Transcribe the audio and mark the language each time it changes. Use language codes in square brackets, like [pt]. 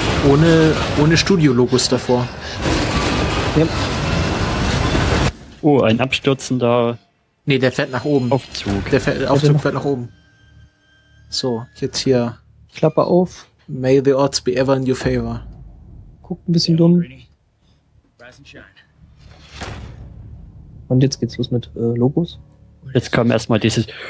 [de] Ohne Studio-Logos davor. Ja. Oh, ein abstürzender. Nee, der fährt nach oben. Aufzug. Der Aufzug fährt nach oben. So, jetzt hier. Klappe auf. [en] May the odds be ever in your favor. [de] Guckt ein bisschen dumm. [en] Rise and shine. [de] Und jetzt geht's los mit Logos. Jetzt kam erstmal dieses.